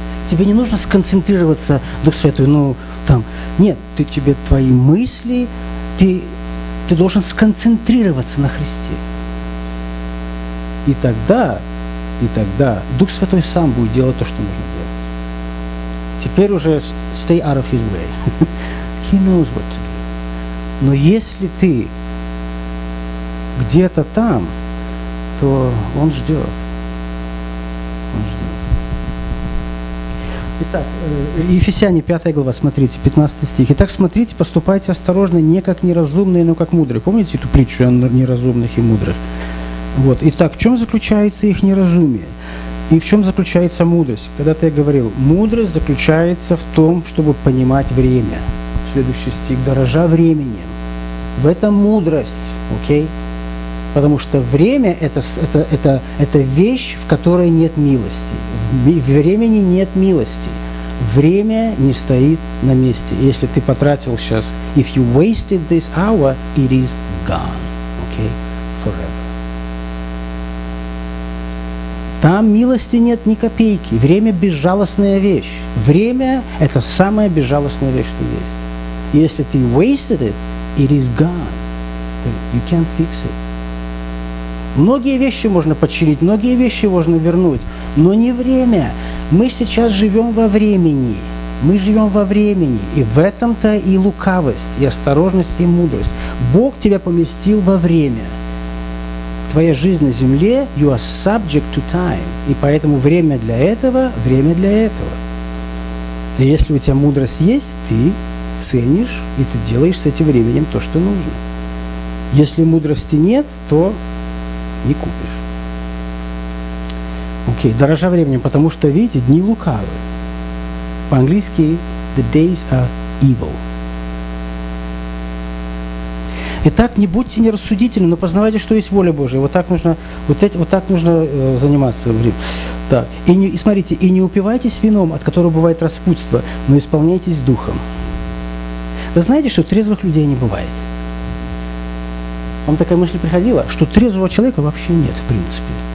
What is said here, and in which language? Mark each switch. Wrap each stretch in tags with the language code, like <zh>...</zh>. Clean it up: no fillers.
<ru>Тебе не нужно сконцентрироваться, Дух Святой, ну там, нет, ты тебе твои мысли, ты должен сконцентрироваться на Христе. И тогда Дух Святой сам будет делать то, что нужно делать. Теперь уже</ru> <en>stay out of his way. He knows what to do.</en> <ru>Но если ты где-то там, то он ждет. Он ждет. Итак, Ефесяне 5 глава, смотрите, 15 стих. Итак, смотрите, поступайте осторожно, не как неразумные, но как мудрые. Помните эту притчу о неразумных и мудрых? Вот. Итак, в чем заключается их неразумие? И в чем заключается мудрость? Когда-то я говорил, мудрость заключается в том, чтобы понимать время. Следующий стих. Дорожа временем. В этом мудрость. Окей? Потому что время – это вещь, в которой нет милости. В времени нет милости. Время не стоит на месте. Если ты потратил сейчас,</ru> <en>if you wasted this hour, it is gone. Окей? Forever.</en> <ru>Там милости нет ни копейки. Время – безжалостная вещь. Время – это самая безжалостная вещь, что есть. Если ты</ru> <en>wasted it, it is gone. You can't fix it.</en> <ru>Многие вещи можно починить, многие вещи можно вернуть, но не время. Мы сейчас живем во времени. Мы живем во времени. И в этом-то и лукавость, и осторожность, и мудрость. Бог тебя поместил во время. Твоя жизнь на земле,</ru> <en>you are subject to time.</en> <ru>И поэтому время для этого, время для этого. И если у тебя мудрость есть, ты ценишь, и ты делаешь с этим временем то, что нужно. Если мудрости нет, то не купишь. Окей, дорожа временем, потому что, видите, дни лукавы. По-английски,</ru> <en>the days are evil.</en> <ru>Итак, не будьте нерассудительны, но познавайте, что есть воля Божия. Вот так нужно заниматься временем. Так, и смотрите, и не упивайтесь вином, от которого бывает распутство, но исполняйтесь духом. Вы знаете, что трезвых людей не бывает? Вам такая мысль приходила, что трезвого человека вообще нет, в принципе.</ru>